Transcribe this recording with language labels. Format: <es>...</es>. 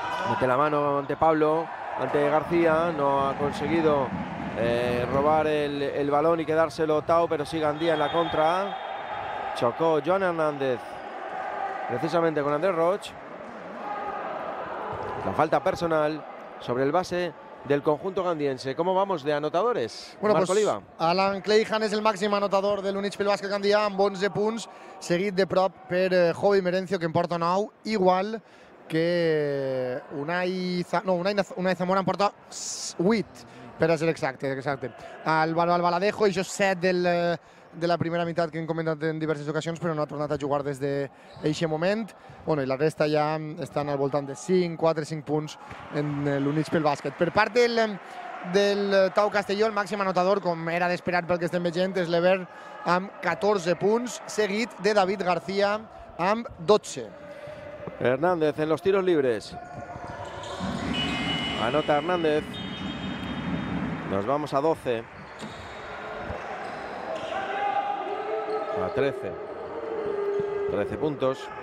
<es>Mete la mano ante Pablo, ante García. No ha conseguido robar el balón y quedárselo Tao, pero sí Gandía en la contra. Chocó Joan Hernández, precisamente con Andrés Roch. La falta personal sobre el base del conjunto gandiense. ¿Cómo vamos de anotadores? Bueno, Marc Oliva.</es> <ca>Alan Clayhan es el màxim anotador de l'Unix Pel Bàsquet Gandia amb 11 punts, seguit de prop per Jovi Merencio, que en porta 9, igual que Unai Zamora en porta 8, per a ser exacte. El Baladejo, això és 7 de la primera meitat que hem comentat en diverses ocasions, però no ha tornat a jugar des d'aquest moment. Bueno, i la resta ja estan al voltant de 5 punts en l'Units pel Bàsquet. Per part del Tau Castelló, el màxim anotador, com era d'esperar pel que estem veient, és l'Ever amb 14 punts, seguit de David García amb 12.</ca> <es>Hernández en los tiros libres. Anota Hernández. Nos vamos a 12. A 13. 13 puntos.</es>